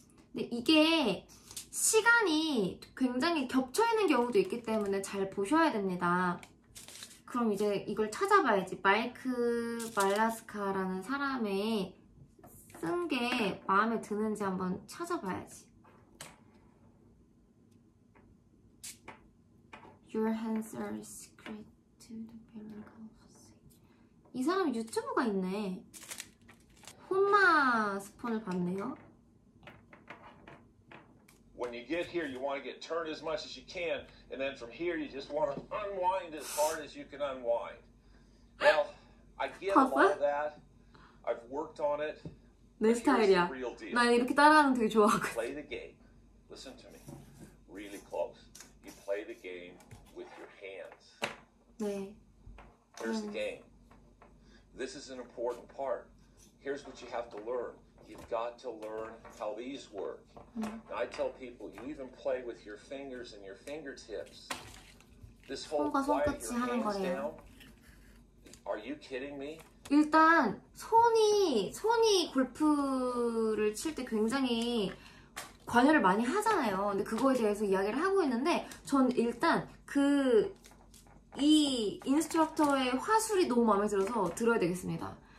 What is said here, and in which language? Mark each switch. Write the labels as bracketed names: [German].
[Korean] 근데 이게 시간이 굉장히 겹쳐있는 경우도 있기 때문에 잘 보셔야 됩니다. 그럼 이제 이걸 찾아봐야지. 마이크 말라스카라는 사람의 쓴 게 마음에 드는지 한번 찾아봐야지. [English] Your hands are secret to the melancholy. [Korean] 이 사람이 유튜브가 있네. 혼마 스폰을 봤네요. [English] When you get here, you want to get turned as much as you can, and then from here, you just want to unwind as hard as you can unwind. Well, I get a lot of that. I've worked on it. [Korean] 내 스타일이야. 난 이렇게 따라하는 되게 좋아하고. [English] Play the game. Listen to me. Really close. You play the game with your hands. [Korean] 네. [English] Here's the game. This is an important part. Here's what you have to learn. You've got to learn how these work. Mm-hmm. I tell people, you even play with your fingers and your fingertips. This whole quiet your hands down. Are you kidding me? [Korean] 일단 손이 골프를 칠 때 굉장히 관여를 많이 하잖아요. 근데 그거에 대해서 이야기를 하고 있는데 전 일단 그 이 인스트럭터의 화술이 너무 마음에 들어서 들어야 되겠습니다.